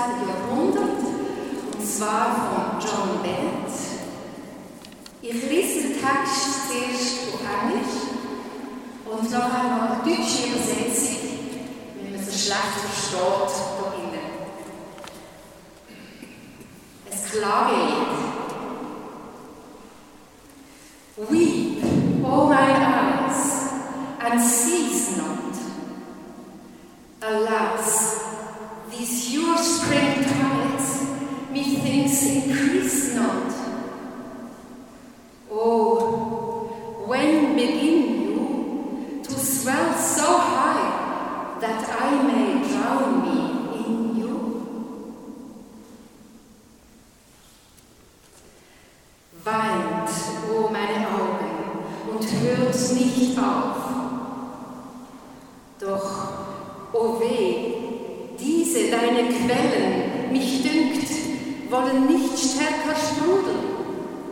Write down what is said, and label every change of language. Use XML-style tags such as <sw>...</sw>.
<de>Jahrhundert, und zwar von John Bennett. Ich lese den Text zuerst auf Englisch und nachher noch eine deutsche Übersetzung, wenn man so schlecht versteht, da drinnen. Ein Klagelied.</de> <en>Weep, oh my eyes, and cease not. Alas, these your spring tides, methinks increase not. Oh, when begin you to swell so high that I may drown me in you?</en> <de>Weint, oh meine Augen, und hört nicht auf. Doch, o weh, diese deine Quellen, mich dünkt, wollen nicht stärker sprudeln.</de>